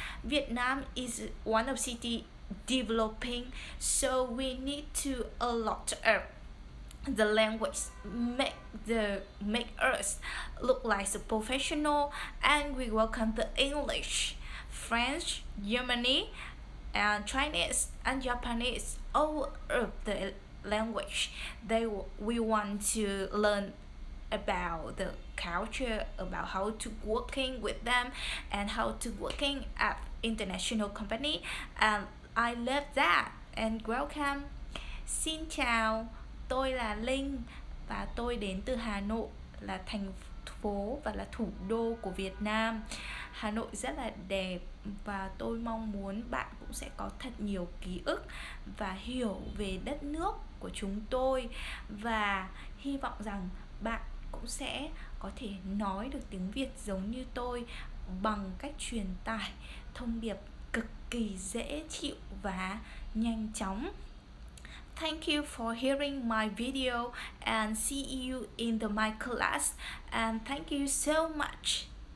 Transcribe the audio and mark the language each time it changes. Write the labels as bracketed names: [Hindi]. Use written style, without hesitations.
[English] Vietnam is one of city developing, so we need to a lot of the language make us look like a professional, and we welcome the English, French, Germany, and Chinese and Japanese, all of the language we want to learn about the culture, about how to working with them and how to working at international company. And I love that. And welcome. [Vietnamese] Xin chào. Tôi là Linh và tôi đến từ Hà Nội, là thành phố và là thủ đô của Việt Nam. Hà Nội rất là đẹp và tôi mong muốn bạn cũng sẽ có thật nhiều ký ức và hiểu về đất nước của chúng tôi, và hy vọng rằng bạn cũng sẽ có thể nói được tiếng Việt giống như tôi bằng cách truyền tải thông điệp cực kỳ dễ chịu và nhanh chóng. [English] Thank you for hearing my video and see you in my class, and thank you so much.